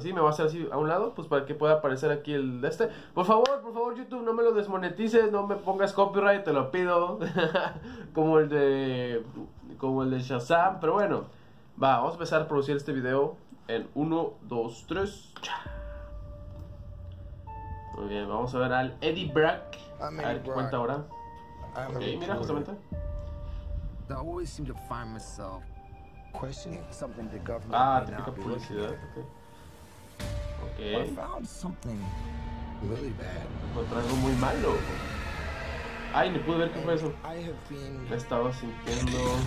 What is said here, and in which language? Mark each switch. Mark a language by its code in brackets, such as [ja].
[es] ¿Sí? Me va a hacer así a un lado, pues para que pueda aparecer aquí el de este. Por favor, YouTube, no me lo desmonetices, no me pongas copyright, te lo pido. como el de Shazam. Pero bueno, va, vamos a empezar a producir este video en 1, 2, 3. Muy bien, vamos a ver al Eddie Brock. A ver qué cuenta ahora. Okay, mira, justamente. [en] I always seem to find myself questioning something the government may not be looking at. Okay. I found something really bad. [es] Encontré algo muy malo. Ay, no pude ver qué fue eso. Me estaba sintiendo.